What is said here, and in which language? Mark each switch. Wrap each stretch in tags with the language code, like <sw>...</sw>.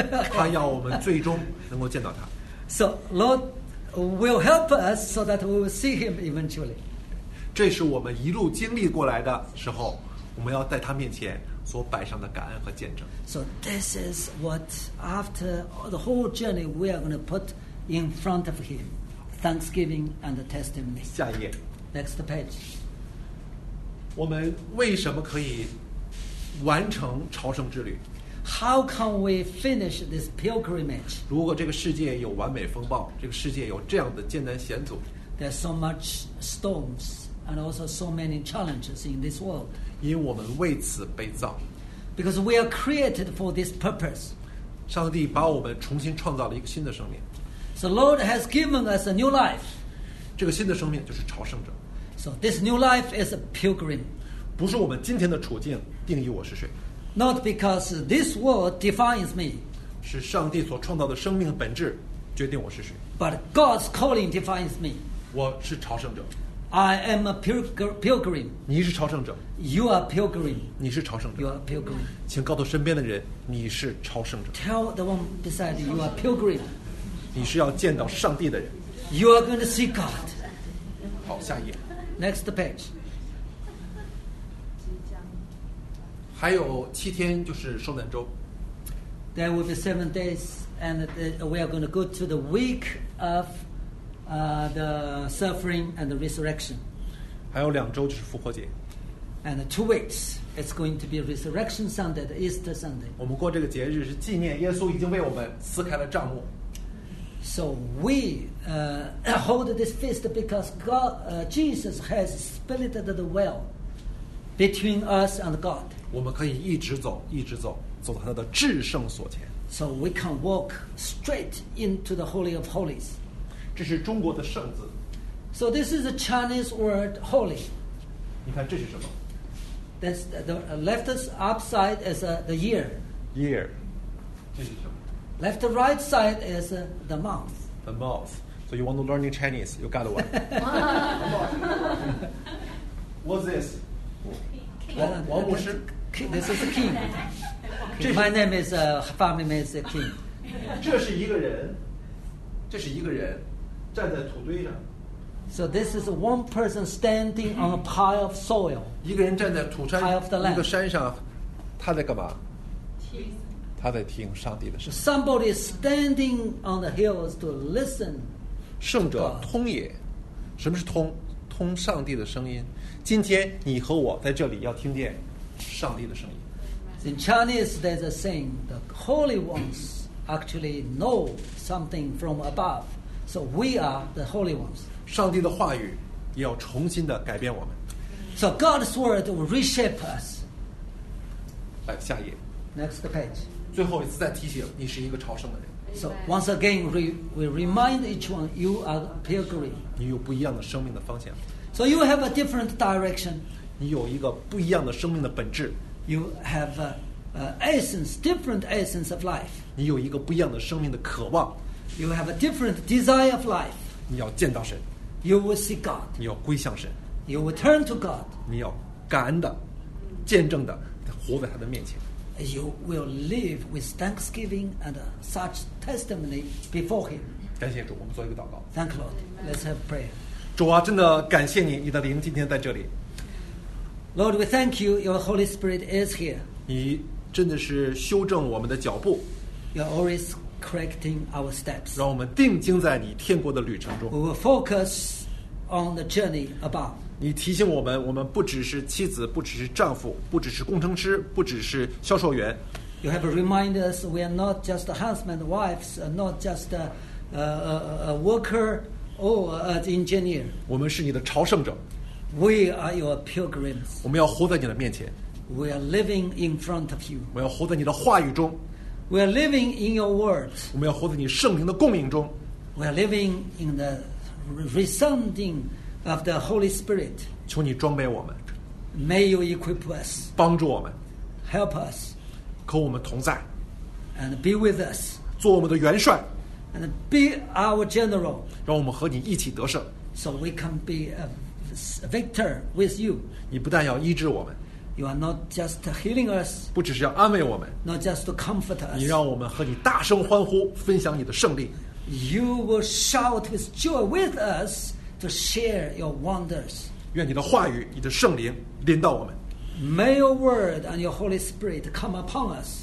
<zh>他要我们最终能够见到他。</zh> <en>So Lord will help us so that we will see Him eventually.</en> <zh>这是我们一路经历过来的时候，我们要在他面前所摆上的感恩和见证。</zh> <en>So this is what after the whole journey we are going to put in front of him, thanksgiving and testimony.</en> <zh>下一页。</zh> <en>Next page.</en> <zh>我们为什么可以完成朝圣之旅</zh> <en>？How can we finish this pilgrimage?</en> <zh>如果这个世界有完美风暴，这个世界有这样的艰难险阻</zh> <en>，There's so much storms. And also so many challenges in this world.</en> <zh>因我们为此被造。</zh> <en>Because we are created for this purpose.</en> <zh>上帝把我们重新创造了一个新的生命。</zh> <en>So Lord has given us a new life.</en> <zh>这个新的生命就是朝圣者。</zh> <en>So this new life is a pilgrim.</en> <zh>不是我们今天的处境定义我是谁。</zh> <en>Not because this world defines me.</en> <zh>是上帝所创造的生命本质决定我是谁。</zh> <en>But God's calling defines me.</en> <zh>我是朝圣者。</zh> <en>I am a pilgrim.</en> <zh>你是朝圣者。</zh> <en>You are pilgrim.</en> <zh>你是朝圣者。</zh> <en>You are pilgrim.</en> <zh>请告诉身边的人，你是朝圣者。</zh> <en>Tell the one beside you, you are pilgrim.</en> <zh>你是要见到上帝的人。</zh> <en>You are going to see God.</en> <zh>好，下一页。</zh> <en>Next page.</en> <zh>还有七天就是受难周。</zh> <en>There will be 7 days, and we are going to go to the week of. The suffering and the resurrection.</en> <zh>还有两周就是复活节。</zh> <en>And 2 weeks, it's going to be Resurrection Sunday, the Easter Sunday.</en> <zh>我们过这个节日是纪念耶稣已经为我们撕开了帐幕。</zh> <en>So we hold this feast because God, Jesus has split the veil between us and God.</en> <zh>我们可以一直走，一直走，走到他的至圣所前。</zh> <en>So we can walk straight into the Holy of Holies.</en> <zh>这是中国的圣字。</zh> <en>So this is a Chinese word holy.</en> <zh>你看这是什么？</zh> <en>That's the left upside is the year. Year.</en> <zh>这是什么？</zh> <en>Left right side is the month. The month. So you want to learn Chinese, you got one. What's this? King.</en> <zh>王牧师。</zh> <en>This is a king. My name is, family name is a king.</en> <zh>这是一个人。这是一个人。站在土堆上。</zh> <en>So this is one person standing on a pile of soil.</en> <zh>一个人站在土山，一个山上，他在干嘛？听。他在听上帝的声音。</zh> <en>Somebody standing on the hills to listen.</en> <zh>圣者通也。什么是通？通上帝的声音。今天你和我在这里要听见上帝的声音。</zh> <en>In Chinese, there's a saying: the holy ones actually know something from above. So we are the holy ones.</en> <zh>上帝的话语也要重新的改变我们。</zh> <en>So God's word will reshape us.</en> <zh>来下一页。</zh> <en>Next page.</en> <zh>最后一次再提醒，你是一个朝圣的人。</zh> <en>So once again, we remind each one, you are a pilgrim.</en> <zh>你有不一样的生命的方向。</zh> <en>So you have a different direction.</en> <zh>你有一个不一样的生命的本质。</zh> <en>You have a essence, different essence of life.</en> <zh>你有一个不一样的生命的渴望。</zh> <en>You have a different desire of life.</en> <zh>你要见到神。</zh> <en>You will see God.</en> <zh>你要归向神。</zh> <en>You will turn to God.</en> <zh>你要感恩的、见证的，活在他的面前。</zh> <en>You will live with thanksgiving and such testimony before Him.</en> <zh>感谢主，我们做一个祷告。</zh> <en>Thank Lord. Let's have prayer.</en> <zh>主啊，真的感谢你，你的灵今天在这里。</zh> <en>Lord, we thank you. Your Holy Spirit is here.</en> <zh>你真的是修正我们的脚步。</zh> <en>You're always. Correcting our steps.</en> <zh>让我们定睛在你天国的旅程中。</zh> <en>We will focus on the journey above.</en> <zh>你提醒我们，我们不只是妻子，不只是丈夫，不只是工程师，不只是销售员。</zh> <en>You have reminded us we are not just a husband, wives, not just a worker or an engineer.</en> <zh>我们是你的朝圣者。</zh> <en>We are your pilgrims.</en> <zh>我们要活在你的面前。</zh> <en>We are living in front of you.</en> <zh>我们要活在你的话语中。</zh> <en>We are living in your words.</en> <zh>我们要活在你圣灵的供应中。</zh> <en>We are living in the resounding of the Holy Spirit.</en> <zh>求你装备我们。</zh> <en>May you equip us.</en> <zh>帮助我们。</zh> <en>Help us.</en> <zh>和我们同在。</zh> <en>And be with us.</en> <zh>做我们的元帅。</zh> <en>And be our general.</en> <zh>让我们和你一起得胜。</zh> <en>So we can be a victor with you.</en> <zh>你不但要医治我们。</zh> <en>You are not just healing us.</en> <zh>不只是要安慰我们。</zh> <en>Not just to comfort us.</en> <zh>你让我们和你大声欢呼，分享你的胜利。</zh> <en>You will shout with joy with us to share your wonders.</en> <zh>愿你的话语，你的圣灵临到我们。</zh> <en>May your word and your Holy Spirit come upon us.</en>